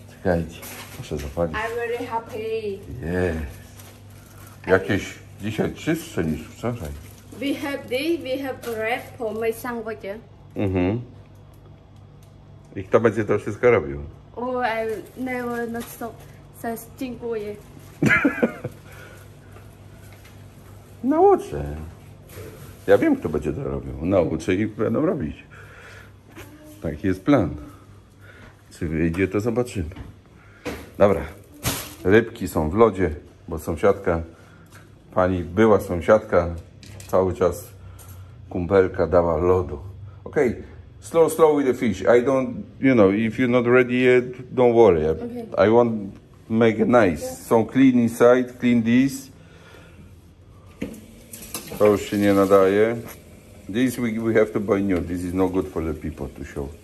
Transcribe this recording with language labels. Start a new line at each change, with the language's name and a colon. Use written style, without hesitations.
Polish: Czekajcie, muszę zapalić.
English: I'm very happy.
Polish: Jest. Jakieś dzisiaj czystsze niż wczoraj.
English: We have this, we have bread for my sandwich. Mhm.
Polish: I kto będzie to wszystko robił?
English: Oh, I never not stop. Says,
Polish: dziękuję. Nauczę. Ja wiem, kto będzie to robił. Nauczę i będą robić. Taki jest plan. Czy wyjdzie, to zobaczymy. Dobra. Rybki są w lodzie, bo sąsiadka, pani była sąsiadka, cały czas kumpelka dała lodu.
English: Okej. Okay. Slow, slow with the fish. I don't, you know, if you're not ready yet, don't worry. Okay. I want make it nice. Okay. So clean inside, clean this.
Polish: To już się nie nadaje.
English: This we have to buy new. This is no good for the people to show.